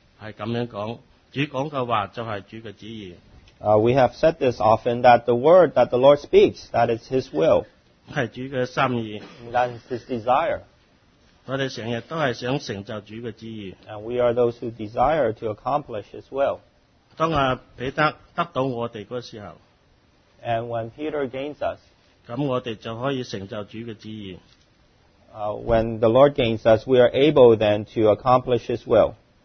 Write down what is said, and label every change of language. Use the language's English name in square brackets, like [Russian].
[Chinese] 平时我们都是这样讲,主讲的话就是主的旨意。 [English] We have said this often, that the word that the Lord speaks, that is his will. [Chinese] 是主的心意。 [English] That is his desire. [Chinese] 我们经常都是想成就主的旨意。 [English] And we are those who desire to accomplish his will. [Chinese] 当彼得得到我们的时候, [English] And when Peter gains us, [Chinese] 我们就可以成就主的旨意。 [English] When the Lord gains us, we are able then to accomplish his will.